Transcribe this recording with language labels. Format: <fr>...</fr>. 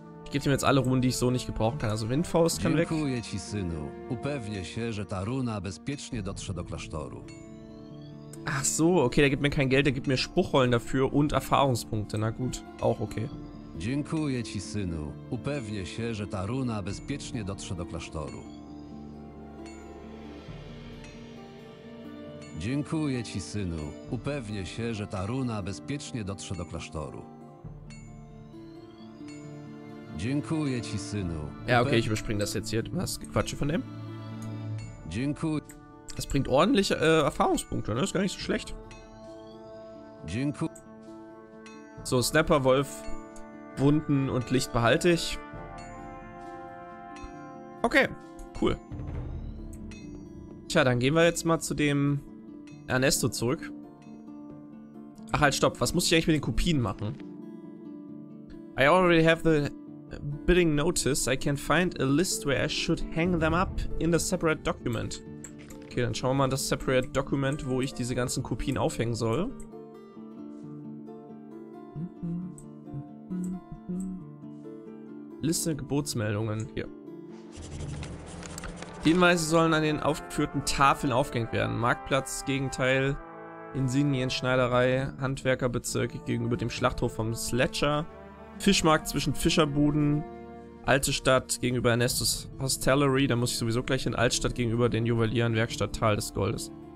<de>Ich gebe ihm jetzt alle Runen, die ich so nicht gebrauchen kann. Also Windfaust kann weg.</de> <pl>Dziękuję ci, synu. Upewnię się, że ta runa bezpiecznie dotrze do klasztoru.</pl> <de>Ach so, okay, der gibt mir kein Geld, der gibt mir Spruchrollen dafür und Erfahrungspunkte. Na gut, auch okay.</de> <pl>Dziękuję ci, synu. Upewnię się, że ta runa bezpiecznie dotrze do klasztoru. Dziękuję ci, synu. Upewnię się, że ta runa bezpiecznie dotrze do klasztoru. Dziękuję ci, synu.</pl> <de>Ja, okay, ich überspringe das jetzt hier. Du hast Quatsch von dem.</de> <pl>Dziękuję.</pl> <de>Das bringt ordentlich Erfahrungspunkte, ne? Ist gar nicht so schlecht.</de> <pl>Dziękuję.</pl> <de>So, Snapper, Wolf, Wunden und Licht behalte ich. Okay, cool. Tja, dann gehen wir jetzt mal zu dem Ernesto zurück. Ach halt, stopp. Was muss ich eigentlich mit den Kopien machen?</de> <en>I already have the bidding notice. I can find a list where I should hang them up in the separate document.</en> <de>Okay, dann schauen wir mal in das</de> <en>separate document,</en> <de>wo ich diese ganzen Kopien aufhängen soll. Liste Gebotsmeldungen. Hier. Die Hinweise sollen an den aufgeführten Tafeln aufgehängt werden. Marktplatz, Gegenteil, Insignienschneiderei, Handwerkerbezirk gegenüber dem Schlachthof vom Sledger, Fischmarkt zwischen Fischerbuden, Alte Stadt gegenüber Ernestos Hostellerie, da muss ich sowieso gleich in Altstadt gegenüber den Juwelieren, Werkstatt Tal des Goldes.</de>